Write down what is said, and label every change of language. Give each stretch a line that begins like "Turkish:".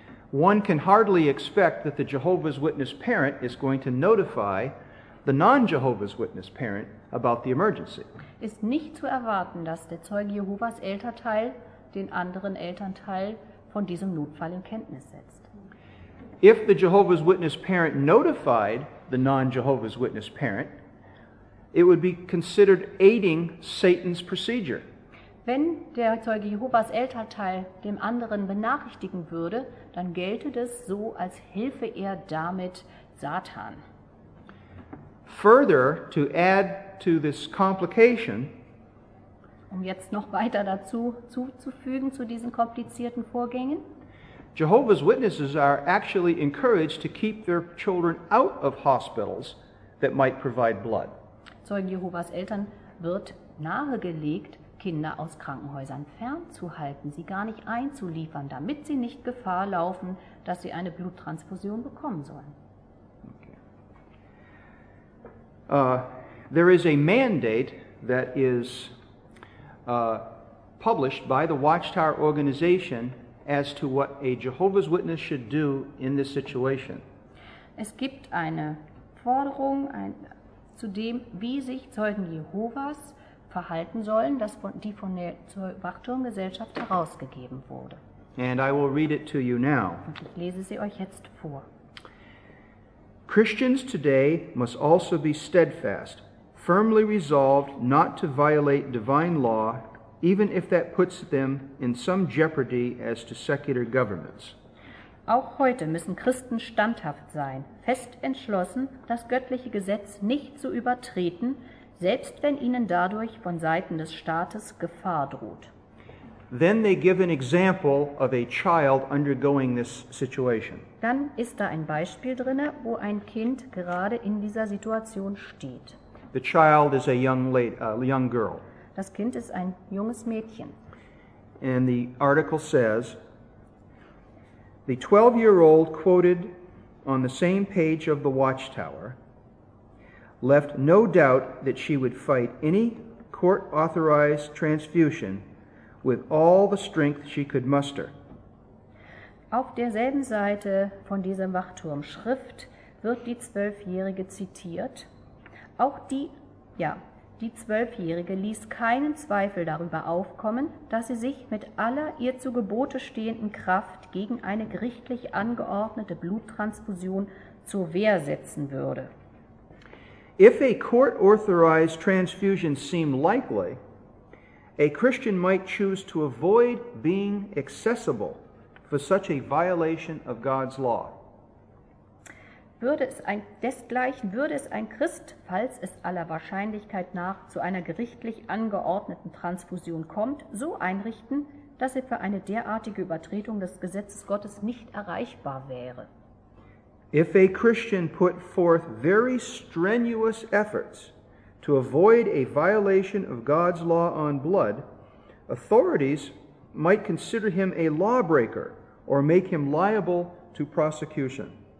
English: One can hardly expect that the Jehovah's Witness parent is going to notify the non-Jehovah's Witness parent about the emergency.
German: Ist nicht zu erwarten, dass der Zeuge Jehovas Elternteil den anderen Elternteil von diesem Notfall in Kenntnis setzt.
English: If the Jehovah's Witness parent notified the non-Jehovah's Witness parent, it would be considered aiding Satan's procedure.
German: Wenn der Zeuge Jehovas Elternteil dem anderen benachrichtigen würde, dann gelte das so, als hilfe er damit Satan.
English: Further, to add to this complication,
German: um jetzt noch weiter dazu zuzufügen zu diesen komplizierten Vorgängen,
English: Jehovah's Witnesses are actually encouraged to keep their children out of hospitals that might provide blood.
German: Zeugen Jehovas Eltern wird nahegelegt, Kinder aus Krankenhäusern fernzuhalten, sie gar nicht einzuliefern, damit sie nicht Gefahr laufen, dass sie eine Bluttransfusion bekommen sollen.
English: There is a mandate that is published by the Watchtower organization as to what a Jehovah's Witness should do in this situation.
German: Es gibt eine Forderung zu dem, wie sich Zeugen Jehovas verhalten sollen, die von der Wachturmgesellschaft herausgegeben wurde.
English: And I will read it to you now.
German: Und ich lese sie euch jetzt vor.
English: Christians today must also be steadfast, firmly resolved not to violate divine law, even if that puts them in some jeopardy as to secular governments.
German: Auch heute müssen Christen standhaft sein, fest entschlossen, das göttliche Gesetz nicht zu übertreten, selbst wenn ihnen dadurch von Seiten des Staates Gefahr droht.
English: Then they give an example of a child undergoing this situation.
German: Dann ist da ein Beispiel drinne, wo ein Kind gerade in dieser Situation steht.
English: The child is a young girl.
German: Das Kind ist ein junges Mädchen.
English: And the article says, the 12-year-old quoted on the same page of the Watchtower left no doubt that she would fight any court-authorized transfusion with all the strength she could muster.
German: Auf derselben Seite von diesem Wachturm-Schrift wird die 12-Jährige zitiert. Auch die 12-Jährige ließ keinen Zweifel darüber aufkommen, dass sie sich mit aller ihr zu Gebote stehenden Kraft gegen eine gerichtlich angeordnete Bluttransfusion zur Wehr setzen würde.
English: If a court-authorized transfusion seemed likely, a Christian might choose to avoid being accessible for such a violation of God's law.
German: Würde es ein Christ, falls es aller Wahrscheinlichkeit nach zu einer gerichtlich angeordneten Transfusion kommt, so einrichten, dass er für eine derartige Übertretung des Gesetzes Gottes nicht erreichbar wäre.
English: If a Christian put forth very strenuous efforts to avoid a violation of God's law on blood, authorities might consider him a lawbreaker or make him liable to prosecution.